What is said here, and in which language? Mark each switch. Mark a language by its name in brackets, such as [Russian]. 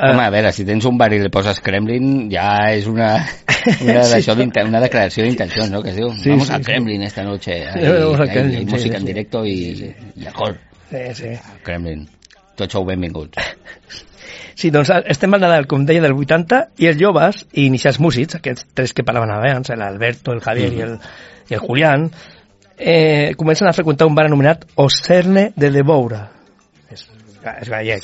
[Catalan] Home, a veure, si tens un bar i li poses Kremlin, ja és una declaració d'intenció, no? Que es diu, sí, vamos sí, al Kremlin sí. [Spanish] Esta noche, hay música en directo y [Catalan] d'acord. [Spanish] Sí, sí. [Catalan] Kremlin, tot sou benvinguts. Sí, doncs estem al Nadal, com deia, del 80, i els joves i iniciats músics, aquests tres que parlaven abans, l'Alberto, el Javier i el Julián, comencen a freqüentar un bar anomenat Ocerne de Debora. És gallec,